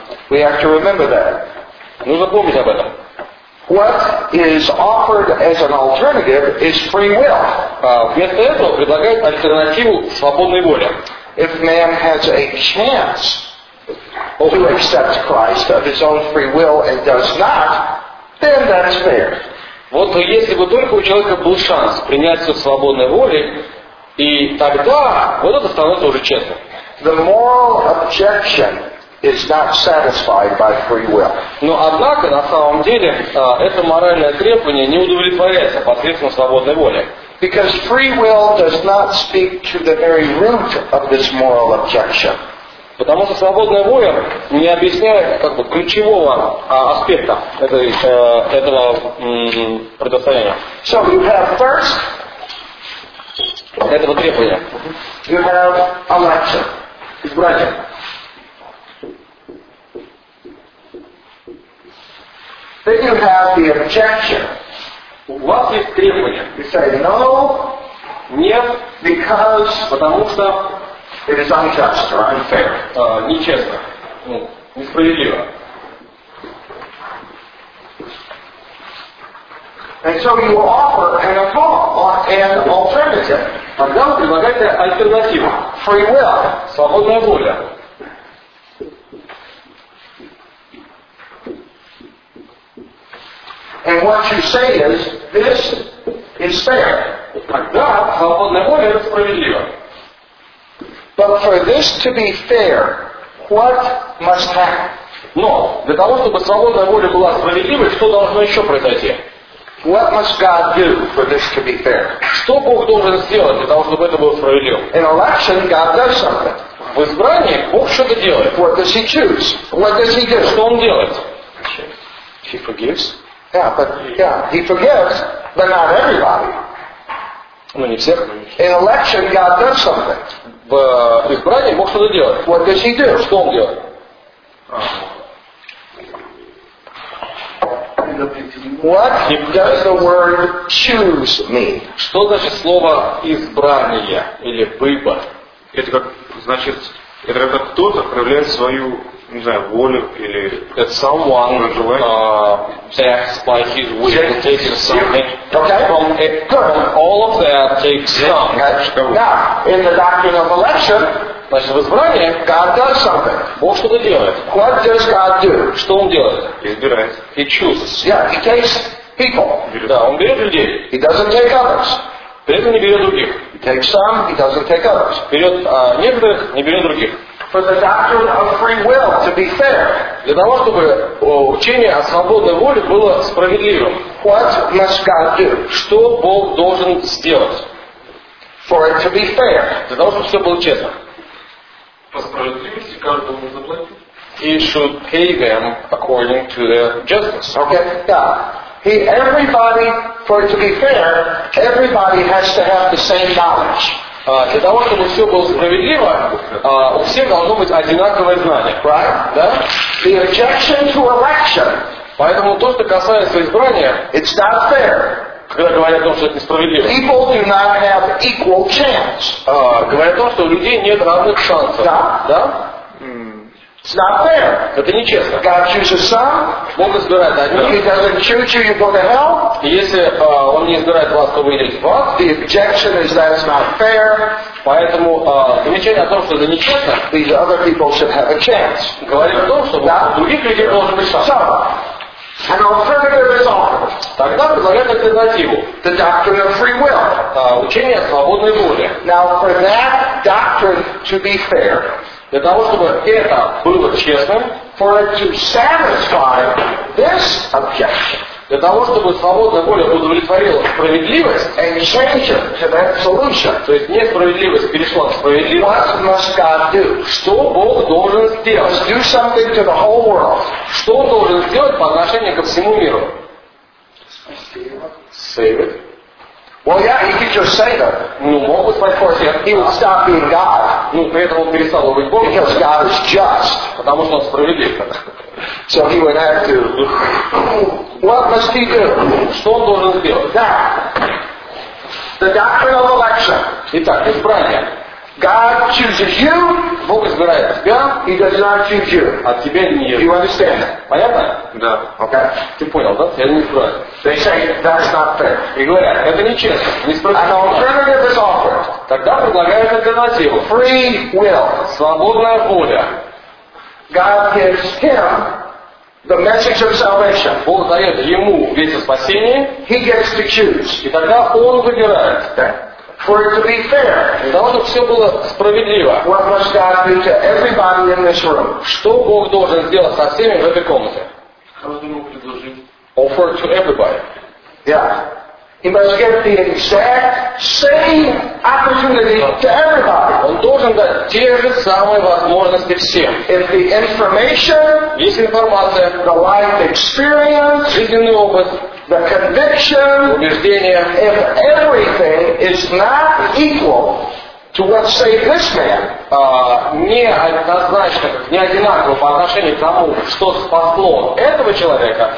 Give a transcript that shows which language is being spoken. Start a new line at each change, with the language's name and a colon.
English: We have to remember that.
Russian: Нужно помнить об этом.
English: What is offered as an alternative is free will.
Russian: Вместо этого предлагают альтернативу свободной воли.
English: If man has a chance to accept Christ of his own free will and does not, then that's fair.
Russian: Вот если бы только у человека был шанс принять все свободной воли, и тогда вот это становится уже честным.
English: The moral objection is not satisfied by free will.
Russian: Но однако на самом деле это моральное требование не удовлетворяется посредством свободной воли.
English: Because free will does not speak to the very root of this moral objection.
Russian: Потому что свободная воля не объясняет как бы ключевого аспекта этого предоставления.
English: So you have first
Russian: этого требования.
English: You have election.
Russian: Избрание.
English: Then you have the objection.
Russian: У вас есть требование.
English: You say no.
Russian: Нет.
English: Because.
Russian: Потому что.
English: It is unjust or unfair.
Russian: Нечестно. Ну, несправедливо.
English: And so you offer an alternative.
Russian: Тогда вы предлагаете альтернативу.
English: Free will.
Russian: Свободная воля.
English: And what you say is, this is fair.
Russian: Тогда свободная воля это справедливо.
English: But for this to be fair, what must happen?
Russian: Но для того, чтобы свободная воля была справедливой, что должно еще произойти?
English: What must God do for this to be fair?
Russian: Что Бог должен сделать для того, чтобы это было справедливо?
English: In election, God does something.
Russian: В избрании Бог что-то делает.
English: What does He choose? What does He do?
Russian: Что Он делает?
English: He forgives. Yeah, but yeah, He forgives, but not everybody.
Russian: Ну не всех.
English: In election, God does something.
Russian: В избрании Бог что-то делает.
English: What does he do?
Russian: Что он делает?
English: What does the word choose mean?
Russian: Что значит слово избрание или выбор? Это как значит, это когда кто-то проявляет свою, не знаю, волю или
English: that someone acts by his will and takes something. Okay. From it, from all of that takes something. Now, in the doctrine of election,
Russian: значит, в избрании,
English: God does something.
Russian: Бог что-то делает.
English: What does God do?
Russian: Что он делает? Избирает.
English: He chooses. Yeah, he takes people.
Russian: Берет. Да, он берет людей.
English: He doesn't take others.
Russian: При этом не берет других.
English: He takes some, he doesn't take others.
Russian: Берет некоторых, не берет других.
English: For the doctrine of free will to be fair.
Russian: Для того, чтобы учение о свободной воле было справедливым.
English: What must God do?
Russian: Что Бог должен сделать?
English: For it to be fair.
Russian: Для того, чтобы все было честно. По справедливости каждому заплатить.
English: He should pay them according to their justice. Okay, yeah. He, everybody, for it to be fair, everybody has to have the same knowledge.
Russian: Для того, чтобы все было справедливо, у всех должно быть одинаковое знание.
English: Right?
Russian: Да?
English: The objection to election.
Russian: Поэтому то, что касается избрания,
English: it's not fair.
Russian: Когда говорят о том, что это несправедливо.
English: People do not have equal chance.
Russian: Говорят о том, что у людей нет равных шансов. Да? Да?
English: It's not fair.
Russian: Это нечестно.
English: God chooses some.
Russian: Бог избирает одних.
English: If he doesn't choose you, you go to hell.
Russian: Если он не избирает вас, то вы идете в ад.
English: The objection is that's not fair.
Russian: Поэтому замечание о том, что это нечестно.
English: These other people should have a chance.
Russian: Говорит о том, что других людей должен быть шанс.
English: An alternative is offered.
Russian: Тогда предлагают альтернативу.
English: The doctrine of free will.
Russian: Учение о свободной воле.
English: Now, for that doctrine to be fair,
Russian: для того, чтобы это было честным,
English: for it to satisfy this objection,
Russian: для того, чтобы свободная воля удовлетворила справедливость,
English: and change it to that solution,
Russian: то есть несправедливость перешла к справедливости,
English: what must God do?
Russian: Что Бог должен сделать?
English: Must do something to the whole world.
Russian: Что Он должен сделать по отношению ко всему миру?
English: Save it. Well, yeah, he could just say that.
Russian: Ну, мог бы спросить,
English: he would stop being God.
Russian: Ну, при этом он перестал быть Богом.
English: Because God is just.
Russian: Потому что он справедлив.
English: So he would have to. What must he do?
Russian: Что он должен сделать? Да.
English: The doctrine of election.
Russian: Итак, избрание.
English: God chooses you.
Russian: Бог избирает тебя.
English: He does not choose you.
Russian: А тебя не.
English: Do you understand?
Russian: Понятно? Да.
English: Okay.
Russian: Ты понял, да? Я не избираю.
English: They say that's not fair.
Russian: И говорят, это нечестно. Не справедливо.
English: An alternative is offered.
Russian: Тогда предлагают альтернативу.
English: Free will.
Russian: Свободная воля.
English: God gives him the message of salvation.
Russian: Бог дает ему весть о спасении.
English: He gets to choose.
Russian: И тогда он выбирает. Да.
English: For it to be fair.
Russian: Для того, чтобы все было справедливо.
English: What must God do to everybody in this room?
Russian: Что Бог должен сделать со всеми в этой комнате?
English: Offer to everybody. Yeah. He must give the exact same opportunity to everybody.
Russian: Он должен дать те же самые возможности всем.
English: If the information,
Russian: есть информация,
English: the life experience,
Russian: жизненный опыт,
English: the conviction,
Russian: убеждение,
English: if everything is not equal to what saved this man,
Russian: не однозначно, не одинаково по отношению к тому, что спасло этого человека,